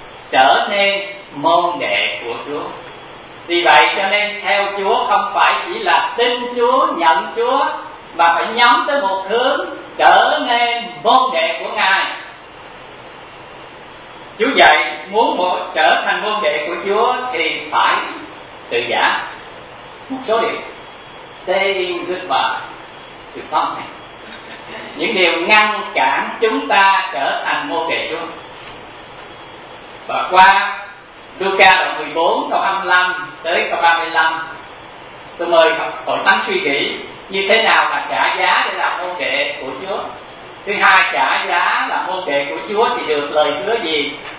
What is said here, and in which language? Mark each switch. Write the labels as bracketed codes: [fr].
[vi] Trở nên môn đệ của Chúa. Vì vậy cho nên theo Chúa không phải chỉ là tin Chúa, nhận Chúa, mà phải nhắm tới một hướng: trở nên môn đệ của Ngài. Chúa dạy muốn trở thành môn đệ của Chúa thì phải tự giả một số điều. [en] Saying goodbye to something. [vi] Những điều ngăn cản chúng ta trở thành môn đệ Chúa. Và qua Luca đoạn 14 câu 25 tới câu 35, tôi mời hội thánh suy nghĩ như thế nào mà trả giá để làm môn đệ của Chúa. Thứ hai, trả giá làm môn đệ của Chúa thì được lời hứa gì?